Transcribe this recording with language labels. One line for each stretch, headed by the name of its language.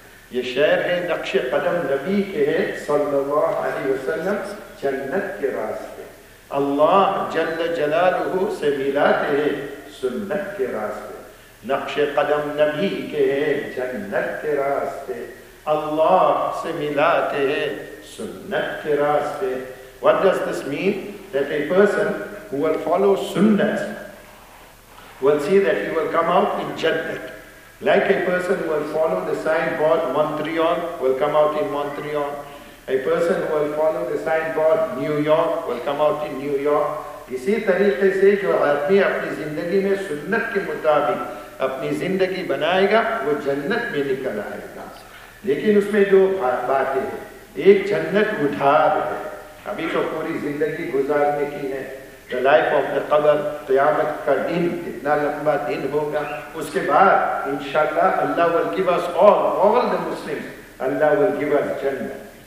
Urdu: یہ شعر ہے نقش قدم نبی کے ہے صلی اللہ علیہ وسلم جنت کے راستے. اللہ جل جلالہ سے ملاتے ہیں سنت کے راستے, نقش قدم نبی کے جنت کے راستے, اللہ سے ملاتے ہیں سنت کے راستے.
English: What does this mean? That a person who will follow sunnah will see that he will come out in Jannah. Like a person who will follow the signboard Montreal will come out in Montreal. A person who will follow the signboard New York will come out in New York.
Urdu: اسی طریقے سے جو آدمی اپنی زندگی میں سنت کے مطابق اپنی زندگی بنائے گا وہ جنت میں نکل آئے گا. لیکن اس میں جو باتیں ہیں, ایک جنت ادھار ہے, ابھی تو پوری زندگی گزارنے کی ہے,
English: the life of the
Urdu: قبر, قیامت کا دن اتنا لمبا دن ہوگا, اس کے بعد انشاءاللہ اللہ
English: will give us all the Muslims,
Urdu: Allah will give us جنت.